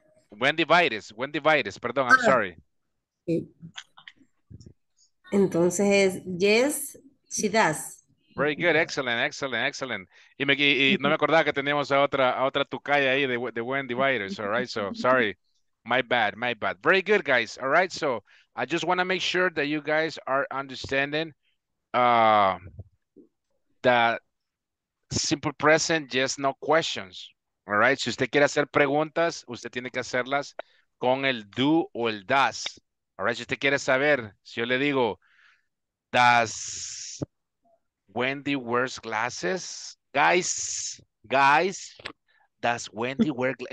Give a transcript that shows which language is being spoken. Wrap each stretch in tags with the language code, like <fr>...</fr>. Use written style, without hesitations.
<en>Wendy virus. Perdón, I'm sorry. Entonces, yes, she does. Very good, excellent.</en> <es>Y no me acordaba que teníamos a otra tucaya ahí de Wendy Virus, all right?</es> <en>So, sorry, my bad. Very good, guys, all right? So, I just want to make sure that you guys are understanding the simple present, yes, no questions, all right?</en> <es>Si usted quiere hacer preguntas, usted tiene que hacerlas con el do o el does, all right? Si usted quiere saber, si yo le digo,</es> <en>does Wendy wears glasses? Guys, does Wendy wear glasses?</en>